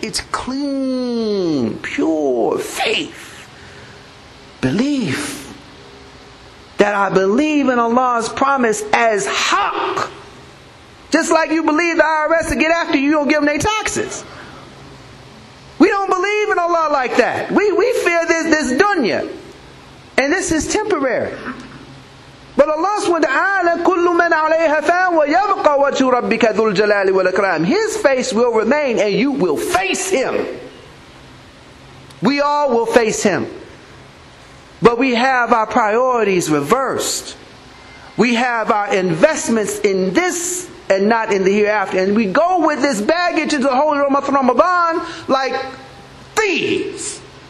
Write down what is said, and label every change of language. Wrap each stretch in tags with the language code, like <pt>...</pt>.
<en>It's clean, pure faith. Belief. That I believe in Allah's promise as haq. Just like you believe the IRS to get after you, you don't give them their taxes. We don't believe in Allah like that. We fear this dunya. And this is temporary. But Allah subhanahu wa ta'ala,</en> <ar>كُلُّ مَنْ عَلَيْهَا فَانْ وَيَبْقَى وَجْهُ رَبِّكَ ذُو الْجَلَالِ وَالْإِكْرَامِ.</ar> <en>His face will remain and you will face Him. We all will face Him. But we have our priorities reversed. We have our investments in this and not in the hereafter. And we go with this baggage into the holy month of Ramadan like thieves.</en>